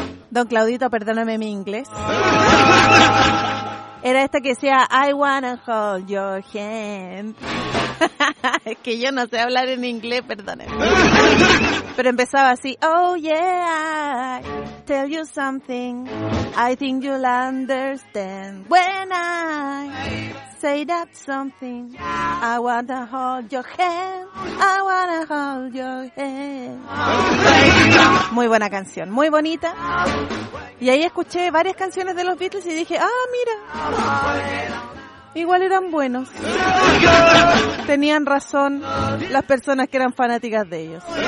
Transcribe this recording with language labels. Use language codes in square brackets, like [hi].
[es] Don Claudito, perdóname mi inglés. Era esta que decía, [en] I wanna hold your hand. [es] Es que yo no sé hablar en inglés, perdónenme. Pero empezaba así, [en] oh yeah, I tell you something, I think you'll understand. When I say that something, I wanna hold your hand, I wanna hold your hand. [es] Muy buena canción, muy bonita. Y ahí escuché varias canciones de los Beatles y dije, ah, mira, igual eran buenos. Tenían razón las personas que eran fanáticas de ellos.